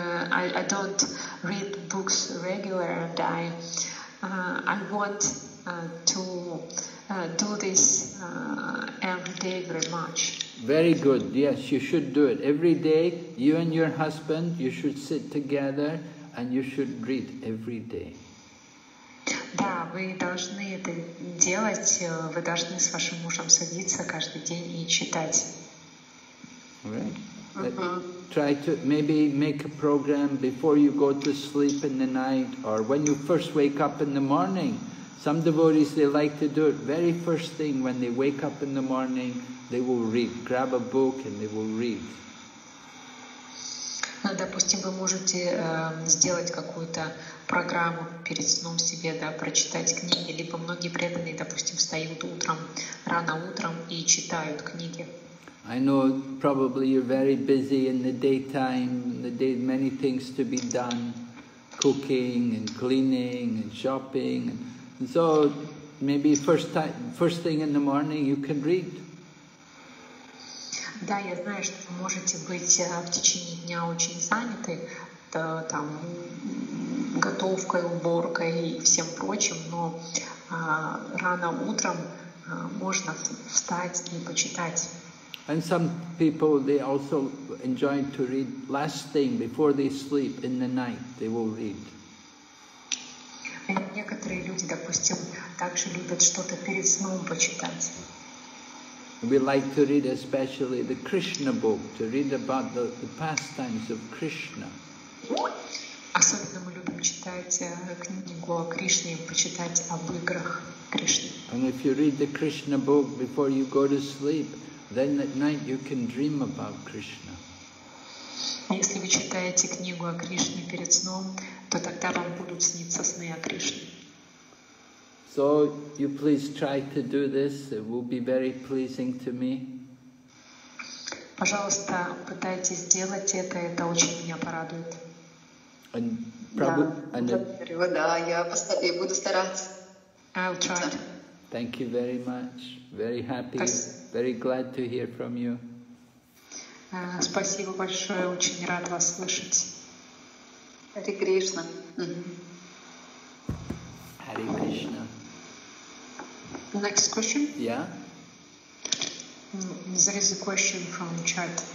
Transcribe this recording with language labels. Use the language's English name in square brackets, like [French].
[English] I don't read books regular, and I want to do this every day very much. Very good. Yes, you should do it every day. You and your husband, you should sit together and you should read every day. [Russian] Да, вы должны это делать. Вы должны с вашим мужем садиться каждый день и читать. [English] Right. Try to maybe make a program before you go to sleep in the night or when you first wake up in the morning. Some devotees, they like to do it very first thing when they wake up in the morning, they will read, grab a book and they will read. [Russian] Допустим, вы можете сделать какую-то программу перед сном себе, да, прочитать книги, либо многие преданные, допустим, встают утром, рано утром и читают книги. [English] I know probably you're very busy in the daytime, many things to be done, cooking and cleaning and shopping. And so maybe first thing in the morning you can read. [Russian] Да, я знаю, что вы можете быть в течение дня очень заняты, да, там, готовкой, уборкой и всем прочим, но рано утром можно встать и почитать. [English] And some people, they also enjoy to read last thing before they sleep in the night, they will read. [Russian] Некоторые люди, допустим, также любят что-то перед сном почитать. [English] We like to read especially the Krishna book, to read about the pastimes of Krishna. [Russian] Особенно мы любим читать книгу о Кришне, почитать об играх Кришны. [English] And if you read the Krishna book before you go to sleep, then at night you can dream about Krishna. [Russian] Если вы читаете книгу о Кришне перед сном, то тогда вам будут сниться сны о Кришне. [English] So you please try to do this. It will be very pleasing to me. [Russian] Пожалуйста, пытайтесь сделать это. Это очень меня порадует. Я буду стараться. [English] I'll try. Thank you very much. Very happy. Very glad to hear from you. [Russian] Спасибо большое, очень рад вас слышать. Хари Кришна. Хари Кришна. [English] Next question? Yeah. There is a question from the chat.